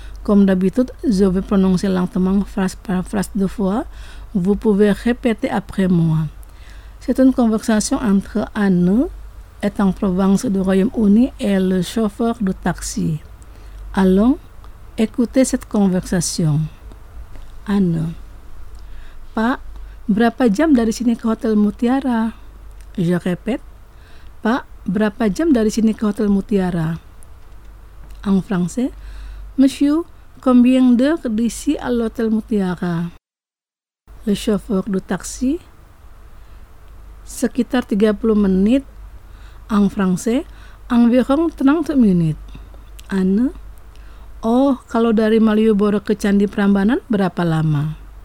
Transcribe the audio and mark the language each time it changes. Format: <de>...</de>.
<fr>Comme d'habitude, je vais prononcer lentement phrase par phrase deux fois. Vous pouvez répéter après moi. C'est une conversation entre Anne, étant en Provence du Royaume-Uni, et le chauffeur de taxi. Allons écouter cette conversation. Anne. Pas.</fr> <id>Berapa jam dari sini ke Hotel Mutiara?</id> <fr>Je répète.</fr> <id>Pak, berapa jam dari sini ke Hotel Mutiara?</id> <fr>En français. Monsieur, combien d'heures d'ici à l'Hotel Mutiara? Le chauffeur du taxi.</fr> <id>Sekitar 30 menit.</id> <fr>En français. Environ 30 minutes.</fr> <id>Anne. Oh, kalau dari Malioboro ke Candi Prambanan berapa lama?</id>